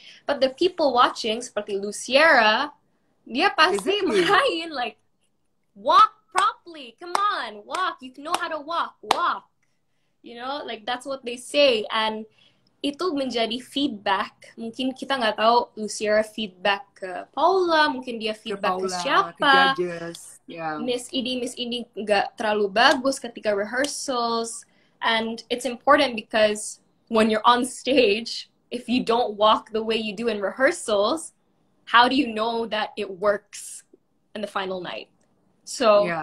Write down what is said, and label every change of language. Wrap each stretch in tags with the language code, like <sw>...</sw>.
<en>But the people watching,</en> <id>seperti Luciera, dia pasti main,</id> <en>like, walk properly, come on, walk, you know how to walk, walk. You know, like, that's what they say.</en> <id>And itu menjadi feedback, mungkin kita nggak tahu Luciera feedback ke Paula, mungkin dia feedback ke siapa.</id> <en>Yeah.</en> <id>Miss ini nggak terlalu bagus ketika rehearsals.</id> <en>And it's important because when you're on stage, if you don't walk the way you do in rehearsals, how do you know that it works in the final night? So</en>